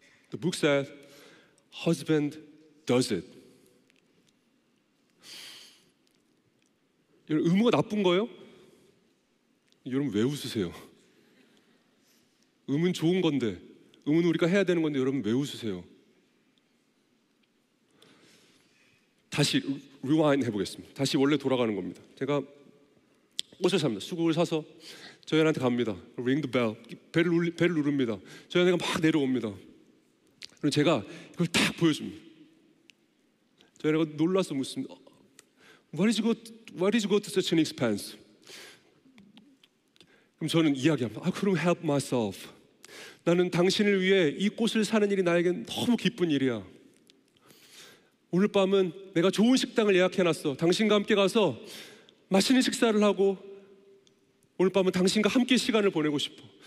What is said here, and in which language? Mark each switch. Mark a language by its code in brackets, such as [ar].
[en] The book said, husband does it. [ko] 여러분, 의무가 나쁜 거예요? 여러분 왜 웃으세요? 의무는 좋은 건데, 의무는 우리가 해야 되는 건데 여러분 왜 웃으세요? 다시 rewind 해보겠습니다. 다시 원래 돌아가는 겁니다. 제가 꽃을 삽니다. 수국을 사서 저희 아내한테 갑니다. [en] Ring the bell. [ko] 벨을 누릅니다. 저희 아내가 막 내려옵니다. 그럼 제가 이걸 딱 보여줍니다. 저희 아내가 놀라서 묻습니다. [en] What is good to such an expense? [ko] 그럼 저는 이야기합니다. [en] I couldn't help myself. [ko] 나는 당신을 위해 이 꽃을 사는 일이 나에겐 너무 기쁜 일이야. 오늘 밤은 내가 좋은 식당을 예약해놨어. 당신과 함께 가서 맛있는 식사를 하고 오늘 밤은 당신과 함께 시간을 보내고 싶어.